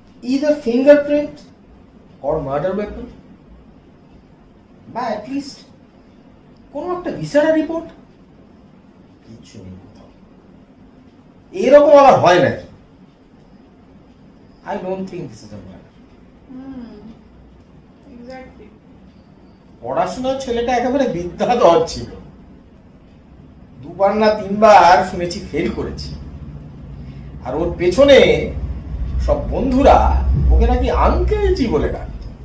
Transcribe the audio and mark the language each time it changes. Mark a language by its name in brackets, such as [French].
[English] Either fingerprint or murder weapon. But at least, [Bangla] কোনো একটা ভিসারা report কিছু নেই কোথাও, এরকম আবার হয় নাকি? [English] I don't think this is a murder. [Bangla] পড়াশোনার ছেলেটা একেবারে বিদ্যা দর ছিল, দুবার না তিনবার শুনেছি ফেল করেছে, আর ওর পেছনে সব বন্ধুরা ওকে নাকি আঙ্কেলজি বলে ডাকত।